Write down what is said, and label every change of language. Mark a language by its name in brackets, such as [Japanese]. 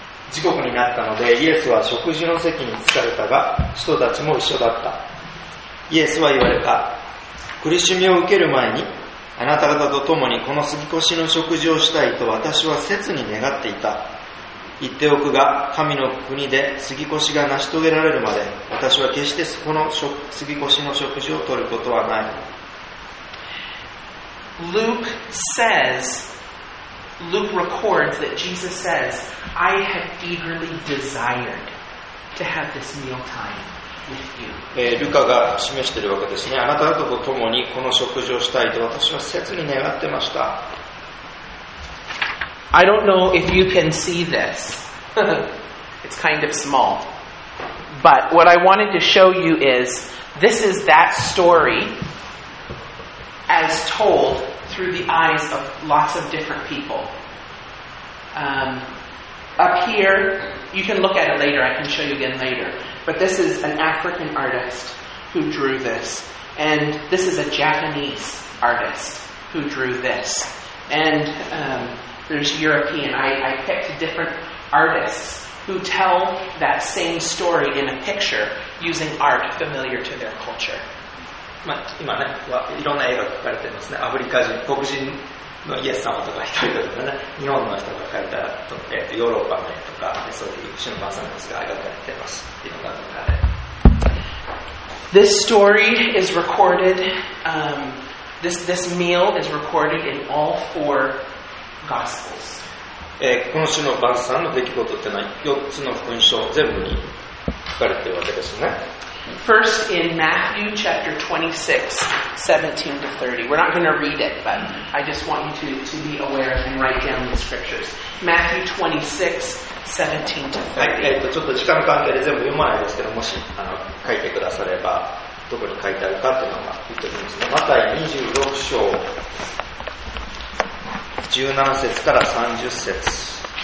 [Japanese] 時刻になったのでイエスは食事の席に着かれたが人たちも一緒だったイエスは言われた苦しみを受ける前にあなた方と共にこの過ぎ越しの食事をしたいと私は切に願っていた言っておくが神の国で過ぎ越しが成し遂げられるまで私は決してこの過ぎ越しの食事を取ることはない [English] Luke saysLuke records that Jesus says, I have eagerly desired to have this meal time with you. ルカが示しているわけですね。あなたと共にこの食事をしたいと私は切に願ってました。 I don't know if you can see this. It's kind of small. But what I wanted to show you is, this is that story as told. Through the eyes of lots of different people. Up here, you can look at it later, I can show you again later. But this is an African artist who drew this. And this is a Japanese artist who drew this. And there's European. I picked different artists who tell that same story in a picture using art familiar to their culture. [Japanese] まあ、今ね、いろんな絵が描かれていますね。アフリカ人、黒人のイエス様とか人々とかね、日本の人が描いたと、ヨーロッパの絵とか、そういう瞬間さんですが描かれています。いろんな絵が。 [English] This story is recorded, this meal is recorded in all four Gospels. [Japanese] この種の晩餐の出来事ってのは、4つの福音書全部に書かれているわけですね。 [English] First in Matthew chapter 26, 17 to 30. We're not going to read it, but I just want you to be aware and write down the scriptures. Matthew 26, 17 to 30. [Japanese] はい、ちょっと時間関係で全部読まないですけど、もし書いてくだされば、どこに書いてあるかというのが言っておきますね。マタイ26章、17節から30節。